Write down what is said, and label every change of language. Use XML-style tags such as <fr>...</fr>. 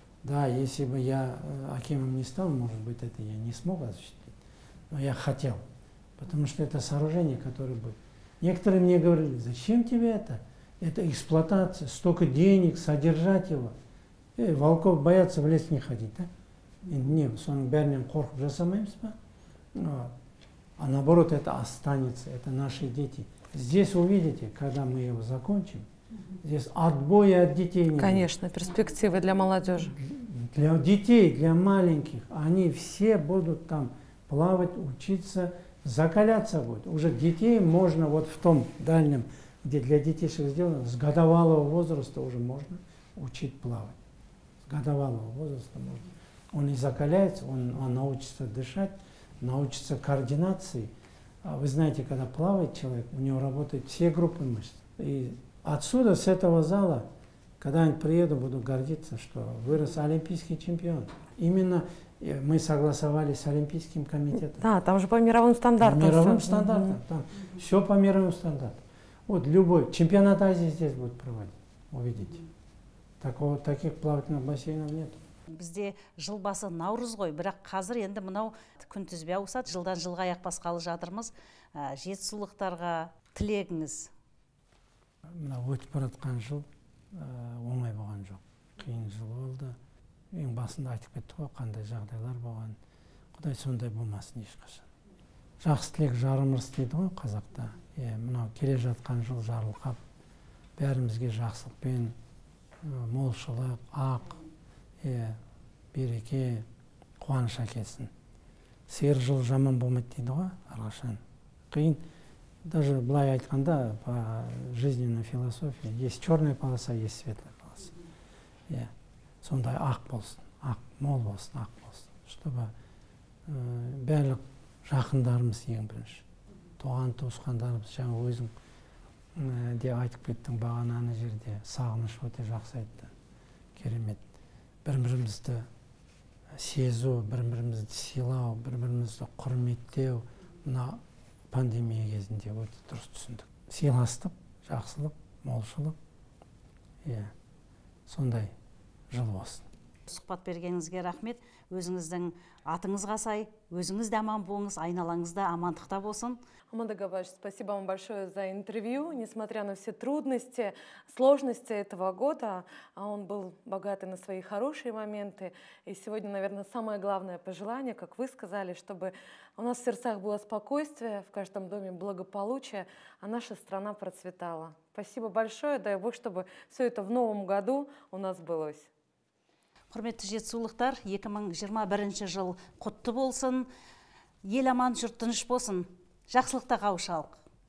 <ru>Да, если бы я акимом не стал, может быть, это я не смог осуществить, но я хотел, потому что это сооружение, которое бы... Некоторые мне говорили, зачем тебе это? Это эксплуатация, столько денег, содержать его. Волков боятся в лес не ходить, да?</ru> <kk>Не, соның бәрінен қорқып жасамаймыз ба?</kk> <ru>А наоборот, это останется, это наши дети. Здесь увидите, когда мы его закончим, здесь отбоя от детей нет. Конечно, перспективы для молодежи. Для детей, для маленьких. Они все будут там плавать, учиться, закаляться будут. Уже детей можно вот в том дальнем, где для детишек сделано, с годовалого возраста уже можно учить плавать. С годовалого возраста можно. Он и закаляется, он научится дышать, научится координации. А вы знаете, когда плавает человек, у него работают все группы мышц. И отсюда, с этого зала, когда я приеду, буду гордиться, что вырос олимпийский чемпион. Именно мы согласовали с Олимпийским комитетом. Да, там же по мировым стандартам. По мировым стандартам. Там все по мировым стандартам. Вот любой чемпионат Азии здесь будет проводить. Увидите. Таких плавательных бассейнов нет.</ru> <kk>бізде жыл басы наурыз ғой, бірақ қазір енді мынау күн түзбе ауысады, жылдан жылға аяқ басқалы жатырмыз. Жетісулықтарға тілегіңіз? Мына өтіп баратқан жыл оңай болған жоқ, қиын жыл болды. Ең басында айтып кеттік қой, қандай жағдайлар болған. Құдай сондай болмасын ешқашан. Жақсы тілек жарымырыс дейді ғой қазақта. Мынау келе жатқан жыл жарылқап, бәрімізге жақсылықпен молшылық, ақ, береке, қуаныш әкелсін. Сиыр жыл жаман болмайды дейді ғой әрқашан. Қиын,</kk> <ru>даже</ru> <kk>былай айтқанда,</kk> <ru>по жизненной философии, есть черная полоса, есть светлая полоса.</ru> <kk>Сондай ақ болсын, ақ, мол болсын, ақ болсын,</kk> <ru>чтобы</ru> <kk>бәрлік жақындарымыз ең бірінші. Туған туысқандарымыз, жаңа өзің де айтып кеттің бағананы жерде, сағыныш өте жақсы айтты, керемет. Бір-бірімізді сезу, бір-бірімізді сыйлау, бір-бірімізді құрметтеу, мына пандемия кезінде өте дұрыс түсіндік. Сыйластық, жақсылық, молшылық, сондай жыл болсын. Сұхбат бергеніңізге рахмет. Өзіңіздің атыңызға сай, өзіңіз де аман болыңыз, айналаңызда амандықта болсын.</kk> <ru>Аманда Габаевич, спасибо вам большое за интервью. Несмотря на все трудности, сложности этого года, а он был богатый на свои хорошие моменты. И сегодня, наверное, самое главное пожелание, как вы сказали, чтобы у нас в сердцах было спокойствие, в каждом доме благополучие, а наша страна процветала. Спасибо большое, дай Бог, чтобы все это в новом году у нас сбылось.</ru> <kk>Құрметті жетісулықтар, 2021 жыл құтты болсын, ел аман жұрт тыныш болсын, жақсылықта қауышалық.</kk>